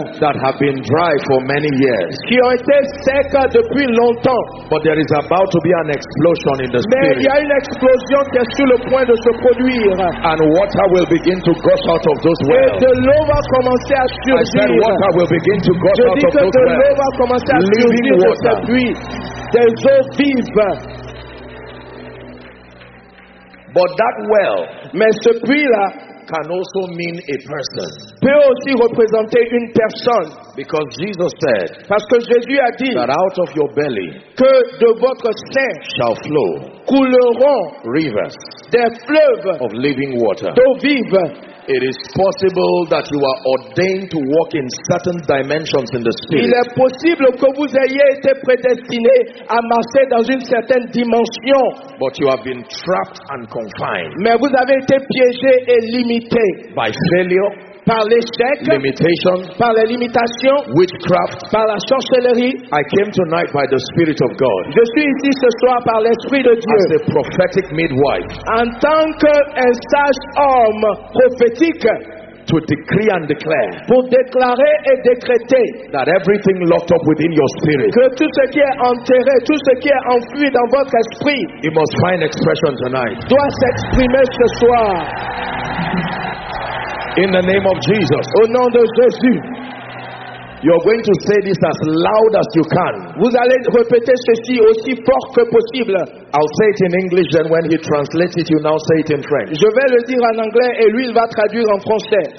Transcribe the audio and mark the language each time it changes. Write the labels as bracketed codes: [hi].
[en] That have been dry for many years. [fr] Qui ont été secs depuis longtemps. [en] But there is about to be an explosion in the spirit. [fr] Mais il y a une explosion qui est sur le point de se produire. [en] And water will begin to gush out of those wells. [fr] Et de l'eau va commencer à surgir. [en] I said water will begin to gush out of those wells. [fr] Je dis que de l'eau va commencer à surgir de ces puits. Des eaux vives. [en] But that well, [fr] mais ce puits-là, [en] can also mean a person. [fr] Peut aussi représenter une personne. [en] Because Jesus said, [fr] parce que Jésus a dit, [en] that out of your belly, [fr] que de votre sein, [en] shall flow, [fr] couleront [en] rivers, [fr] des fleuves, [en] of living water, [fr] d'eau vive. [en] It is possible that you are ordained to walk in certain dimensions in the spirit. [fr] Il est possible que vous ayez été prédestiné à marcher dans une certaine dimension. [en] But you have been trapped and confined. [fr] Mais vous avez été piégé et limité. [en] By failure. [fr] Par l'échec, [en] limitation, [fr] par les limitations, [en] witchcraft, [fr] par la sorcellerie. [en] I came tonight by the Spirit of God. [fr] Je suis ici ce soir par l'Esprit de Dieu. [en] As a prophetic midwife, [fr] en tant qu'un sage homme prophétique, [en] to decree and declare, [fr] pour déclarer et décréter, [en] that everything locked up within your spirit, [fr] que tout ce qui est enterré, tout ce qui est enfui dans votre esprit, [en] it must find expression tonight, [fr] doit s'exprimer ce soir. [en] In the name of Jesus. [fr] Au nom de Jésus. [en] You're going to say this as loud as you can. [fr] Vous allez répéter ceci aussi fort que possible. [en] I'll say it in English, then when he translates it, you now say it in French. [fr] Je vais le dire en anglais et lui il va traduire en français.